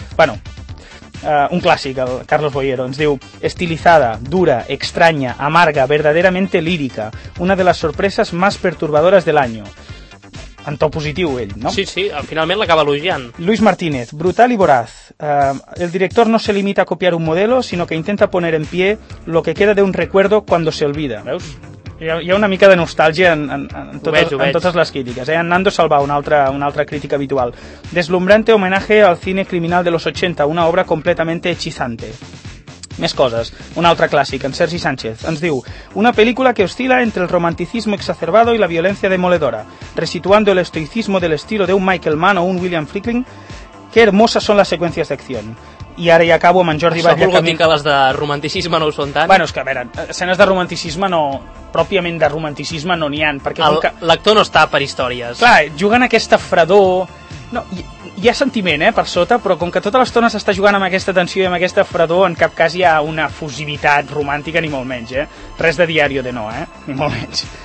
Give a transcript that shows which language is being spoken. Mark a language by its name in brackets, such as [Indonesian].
[Catalan] Bueno, un clàssic, el Carlos Boyero, ens diu: [Spanish] estilizada, dura, extraña, amarga, verdaderamente lírica, una de las sorpresas más perturbadoras del año. [Catalan] En to positiu, ell, no? Sí, finalment l'acaba elogiant. [Spanish] Luis Martínez, brutal y voraz. El director no se limita a copiar un modelo, sino que intenta poner en pie lo que queda de un recuerdo cuando se olvida. [Catalan] Veus? Hi ha una mica de nostàlgia en totes les crítiques. En Nando Salvà, una altra crítica habitual. [Spanish] Deslumbrante homenaje al cine criminal de los 80, una obra completamente hechizante. [Catalan] Més coses. Un altre clàssic, en Sergi Sánchez. Ens diu: [Spanish] una pel·lícula que oscila entre el romanticismo exacerbado y la violencia demoledora, resituando el estoicismo del estilo de un Michael Mann o un William Friedkin. Qué hermosas son las secuencias de acción. [Catalan] I ara ja acabo amb en Jordi Batlle. Això vol dir que les de romanticisme no ho són tant? Bueno, és que, a veure, escenes de romanticisme no... Pròpiament de romanticisme no n'hi han, perquè... L'actor no està per històries. Clar, jugant aquesta fredor... No, hi ha sentiment, per sota, però com que tota l'estona s'està jugant amb aquesta tensió i amb aquesta fredor, en cap cas hi ha una fusivitat romàntica, ni molt menys, Res de Diario de Noah, ni molt menys.